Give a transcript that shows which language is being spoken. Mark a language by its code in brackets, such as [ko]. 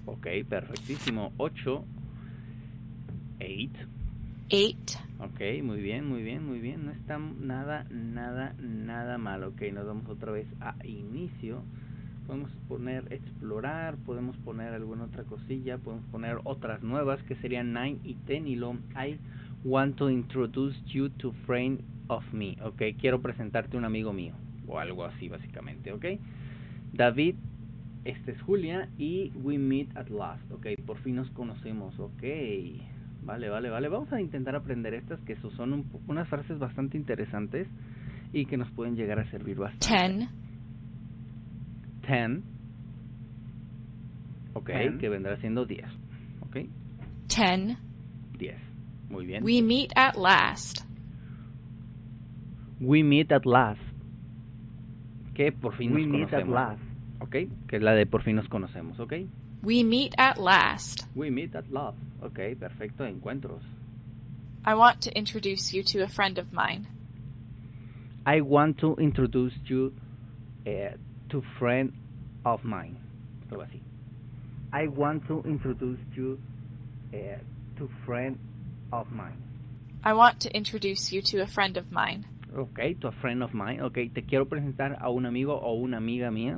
[es] Ok, perfectísimo. Ocho. [en] Eight. Eight. [es] Ok, muy bien. No está nada mal. Ok, nos vamos otra vez a inicio. Podemos poner explorar, podemos poner alguna otra cosilla, podemos poner otras nuevas que serían 9 y 10. Y lo [en] I want to introduce you to friend of me. [es] Ok, quiero presentarte un amigo mío. O algo así, básicamente. Ok, David, este es Julia y [en] we meet at last. [es] Ok, por fin nos conocemos. Ok. Vale. Vamos a intentar aprender estas, que son unas frases bastante interesantes y que nos pueden llegar a servir bastante. [en] Ten. Ten. [es] Ok, ten. Que vendrá siendo 10. Ok. [en] Ten. [es] 10. Muy bien. [en] We meet at last. We meet at last. [es] Que por fin [en] we [es] nos [en] meet [es] conocemos. [en] At last. [es] Ok, que es la de por fin nos conocemos, ok. [en] We meet at last. We meet at last. [es] Ok, perfecto. Encuentros. [en] I want to introduce you to a friend of mine. I want to introduce you to friend of mine. [es] Algo así. [en] I want to introduce you to friend of mine. I want to introduce you to a friend of mine. Okay, to a friend of mine. [es] Okay, te quiero presentar a un amigo o una amiga mía.